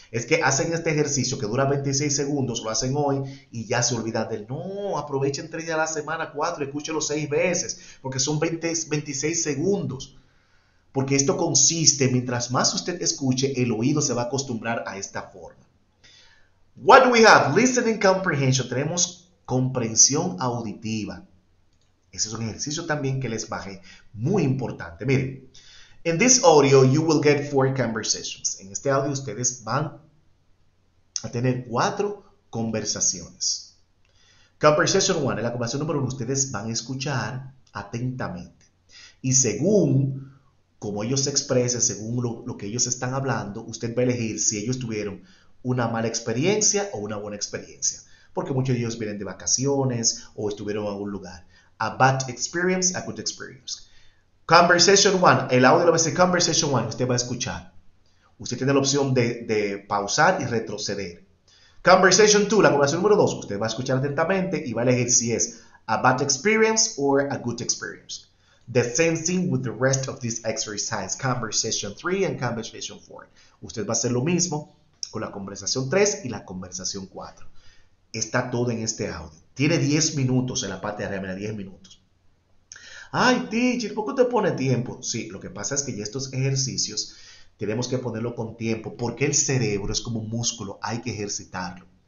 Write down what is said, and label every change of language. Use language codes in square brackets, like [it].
[es] Es que hacen este ejercicio que dura 26 segundos, lo hacen hoy y ya se olvidan del no, aprovechen 3 días a la semana, 4, escúchelo 6 veces, porque son 20, 26 segundos. Porque esto consiste, mientras más usted escuche, el oído se va a acostumbrar a esta forma. [en] What do we have? Listening comprehension. [es] Tenemos comprensión auditiva. Ese es un ejercicio también que les bajé. Muy importante. [en] Miren, in this audio, you will get 4 conversations. [es] En este audio, ustedes van a tener 4 conversaciones. Conversation 1, en la conversación número 1, ustedes van a escuchar atentamente. Y según como ellos se expresen, según lo que ellos están hablando, usted va a elegir si ellos tuvieron una mala experiencia o una buena experiencia. Porque muchos de ellos vienen de vacaciones o estuvieron en algún lugar. [en] A bad experience, a good experience. Conversation 1, [es] el audio va a ser [en] conversation 1, [es] usted va a escuchar. Usted tiene la opción de pausar y retroceder. Conversation 2, la conversación número 2, usted va a escuchar atentamente y va a elegir si es [en] a bad experience or a good experience. The same thing with the rest of this exercise, conversation 3 and conversation 4. [es] Usted va a hacer lo mismo con la conversación 3 y la conversación 4. Está todo en este audio. Tiene 10 minutos en la parte de arriba, 10 minutos. Ay, teacher, ¿por qué te pone tiempo? Sí, lo que pasa es que ya estos ejercicios tenemos que ponerlo con tiempo porque el cerebro es como un músculo, hay que ejercitarlo.